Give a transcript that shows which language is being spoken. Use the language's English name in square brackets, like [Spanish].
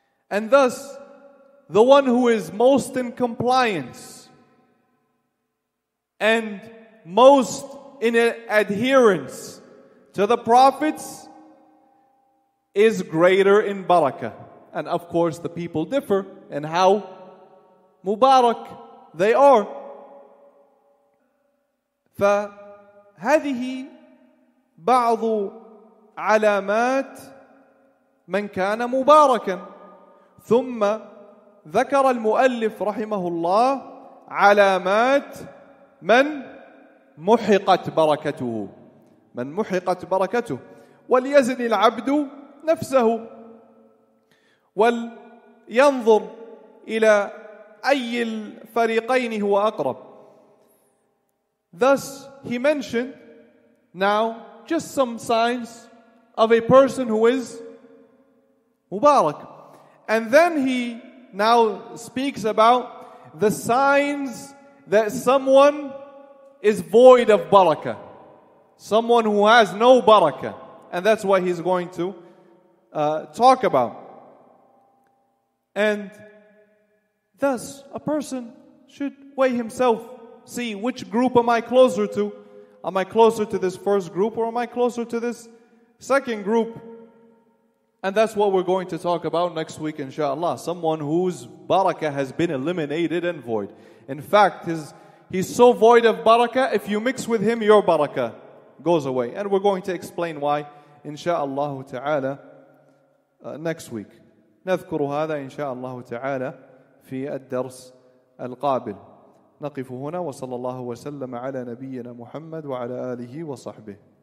[English] And thus, the one who is most in compliance and most in adherence to the prophets is greater in barakah. And of course, the people differ in how Mubarak they are. [Arabic] فهذه بعض علامات من كان مباركا. ثم ذكر المؤلف رحمه الله علامات من محقت بركته. من محقت بركته. وليزن العبد نفسه ولينظر إلى أي الفريقين هو أقرب. [English] Thus, he mentioned now just some signs of a person who is Mubarak. And then he now speaks about the signs that someone is void of barakah. Someone who has no barakah. And that's what he's going to talk about. And thus, a person should weigh himself. See, which group am I closer to? Am I closer to this first group or am I closer to this second group? And that's what we're going to talk about next week, inshallah. Someone whose barakah has been eliminated and void. In fact, he's so void of barakah, if you mix with him, your barakah goes away. And we're going to explain why, inshallah ta'ala, next week. [Arabic] نذكر هذا إن شاء الله تعالى في الدرس القابل. نقف هنا وصلى الله وسلم على نبينا محمد وعلى آله وصحبه.